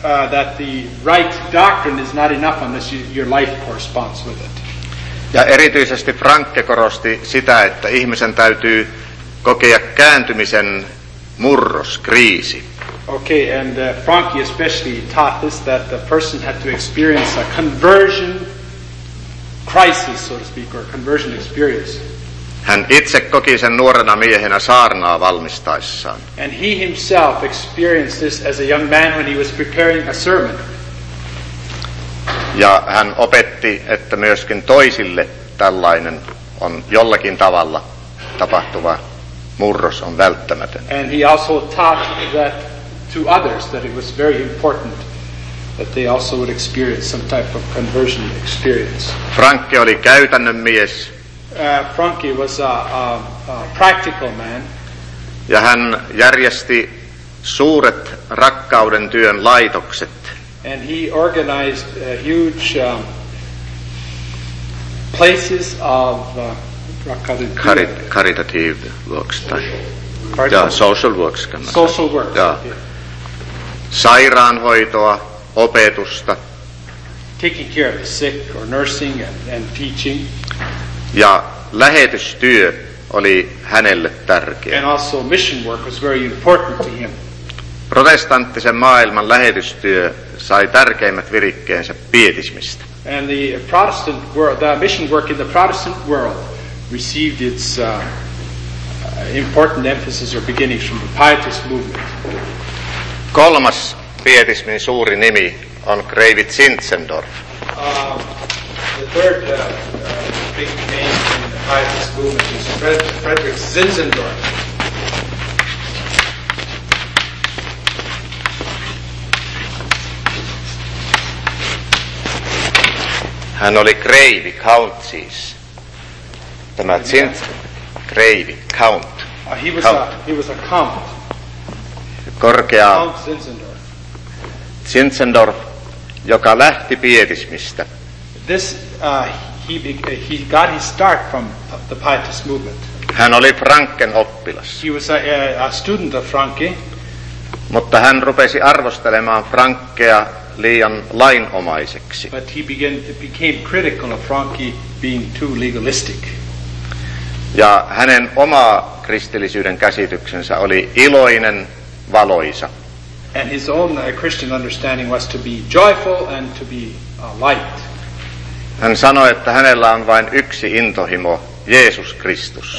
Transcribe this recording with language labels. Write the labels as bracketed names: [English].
[English] That the right doctrine is not enough unless your life corresponds with it. [Finnish] Ja erityisesti Francke korosti sitä, että ihmisen täytyy kokea kääntymisen murros, kriisi. [English] Okay, and Francke especially taught this, that the person had to experience a conversion crisis, so to speak, or a conversion experience. [Finnish] Hän itse koki sen nuorena miehenä saarnaa valmistaessaan. [English] And he himself experienced this as a young man when he was preparing a sermon. [Finnish] Ja hän opetti, että myöskin toisille tällainen on jollakin tavalla tapahtuva murros on välttämätön. [English] And he also taught that to others, that it was very important that they also would experience some type of conversion experience. [Finnish] Francke oli käytännön mies. [English] Francke was a practical man. [Finnish] Ja hän järjesti suuret rakkauden työn laitokset. [English] And he organized huge places of caritative works, social works. Social works. [Finnish] Ja. Sairaanhoitoa, opetusta. [English] Taking care of the sick or nursing and teaching. [Finnish] Ja lähetystyö oli hänelle tärkeä. [English] And also mission work was very important to him. [Finnish] Protestanttisen maailman lähetystyö sai tärkeimmät virikkeensä pietismistä. [English] And the Protestant world, the mission work in the Protestant world received its important emphasis or beginnings from the Pietist movement. [Finnish] Kolmas pietismin suuri nimi on Greivit Zinzendorf. [English] The third big name in the Pietist movement is Frederick Zinzendorf. [Finnish] Hän oli Greivi Count siis. Tämä Greivi Count. [English] He was a count. [Finnish] Korkea [English] Count Zinzendorf. [Finnish] Zinzendorf, joka lähti pietismistä. [English] This he got his start from the Pietist movement. [Finnish] Hän oli Francken oppilas. [English] He was a student of Francke. [Finnish] Mutta hän rupesi arvostelemaan Francke liian lainomaiseksi. [English] But he began to became critical of Franke being too legalistic. [Finnish] Ja hänen oma kristillisyyden käsityksensä oli iloinen, valoisa. [English] And his own Christian understanding was to be joyful and to be light. [Finnish] Hän sanoi, että hänellä on vain yksi intohimo, Jeesus Kristus.